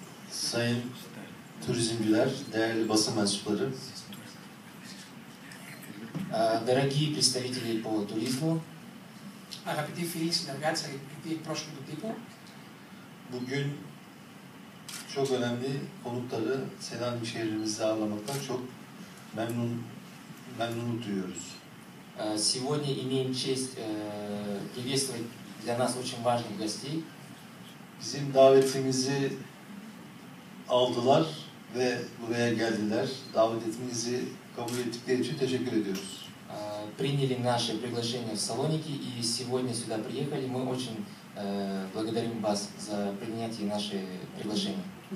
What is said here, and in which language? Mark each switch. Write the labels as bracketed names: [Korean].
[Turkish] Sayın turizmciler, değerli basın mensupları. [Russian] Дорогие представители по туризму. [Greek] Αγαπητοί φίλοι, συνεργάτες, αγαπητοί πρόσωποι του τύπου. [Turkish] Bugün çok önemli konukları Selanik şehrimizde ağırlamaktan çok memnun duyuyoruz. [Russian] Сегодня имеем честь приветствовать для нас очень важных гостей. [Turkish] Bizim davetimizi aldılar ve buraya geldiler. Davetimizi kabul ettikleri için teşekkür ediyoruz. [Russian] Приняли наше приглашение в Салоники и сегодня сюда приехали. Мы очень благодарим вас за принятие нашего приглашения.